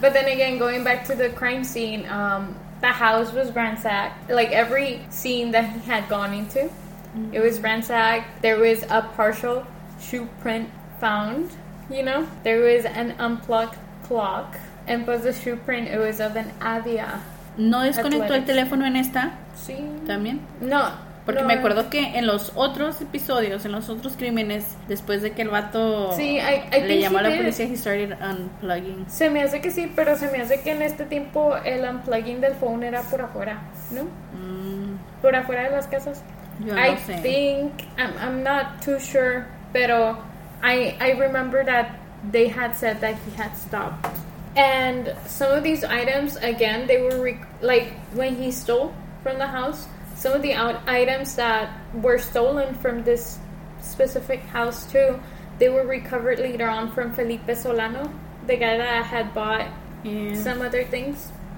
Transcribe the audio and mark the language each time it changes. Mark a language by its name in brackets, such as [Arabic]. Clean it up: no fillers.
[English] But then again, going back to the crime scene, the house was ransacked. Every scene that he had gone into, mm-hmm. It was ransacked. There was a partial shoe print found, you know? There was an unplugged clock. And for the shoe print, it was of an Avia. [Spanish] ¿No desconectó el teléfono en esta? Sí. ¿También? No. Porque me acuerdo que en los otros episodios, en los otros crímenes, después de que el vato le llamó a la policía, [English] he started unplugging. [Spanish] Se me hace que sí, pero se me hace que en este tiempo el unplugging del phone era por afuera, ¿no? Mm. Por afuera de las casas. Yo no sé. [English] I'm not too sure, pero I remember that they had said that he had stopped. And some of these items, again, they were when he stole from the house. Some of the items that were stolen from this specific house, too, they were recovered later on from Felipe Solano, the guy that had bought some other things.